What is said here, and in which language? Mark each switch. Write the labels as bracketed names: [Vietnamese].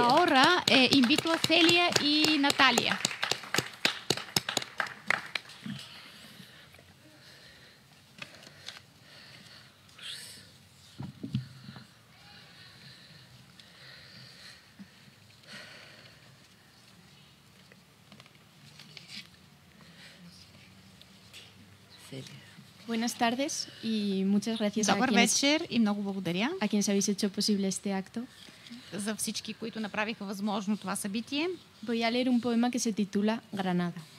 [Spanish] Y ahora invito a Celia y Natalia. Buenas tardes y muchas gracias a quienes habéis hecho posible este acto. [Bulgarian] За всички, които направиха възможно това събитие. [Spanish] Voy a leer un poema que se titula Granada.